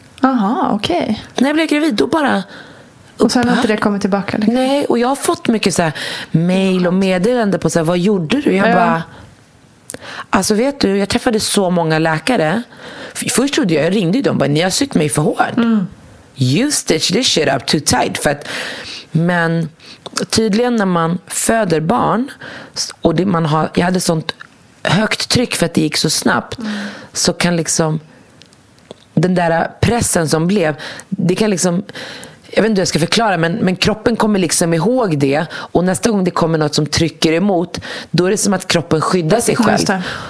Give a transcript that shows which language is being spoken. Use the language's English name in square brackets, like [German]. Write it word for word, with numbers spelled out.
[Swedish] Aha, okej. Okay. När jag blev gravid, då bara... Och sen har inte det kommit tillbaka. Liksom. Nej, och jag har fått mycket så här mejl och meddelande på så här, vad gjorde du? Jag ja. bara... Alltså vet du, jag träffade så många läkare. Först trodde jag, jag ringde dem bara, ni har sytt mig för hårt. Mm. [English] You stitch this shit up too tight. [Swedish] För att, men tydligen när man föder barn och det, man har, jag hade sånt högt tryck för att det gick så snabbt mm. så kan liksom den där pressen som blev, det kan liksom, jag vet inte hur jag ska förklara, men, men kroppen kommer liksom ihåg det, och nästa gång det kommer något som trycker emot, då är det som att kroppen skyddar sig själv.